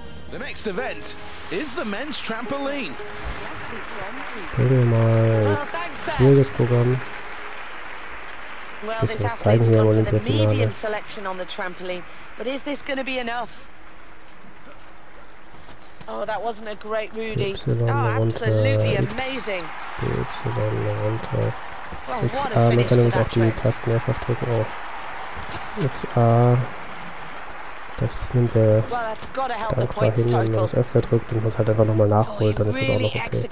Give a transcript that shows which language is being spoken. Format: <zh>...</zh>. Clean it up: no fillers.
<en>The next event is the men's trampoline.</en> <de>Springen wir mal schwieriges Programm. Ein bisschen was zeigen hier im Olympia-Finale.</de> <en>But is this going to be enough? Oh, that wasn't a great Rudy. Y, oh, runter, absolutely amazing.</en> <de>X, B, Y, runter. X, A, man kann übrigens auch die Tasten mehrfach drücken. Oh. X, A, Das nimmt er dankbar hin, wenn man es öfter drückt und man es halt einfach nochmal nachholt, dann ist das auch noch okay.</de>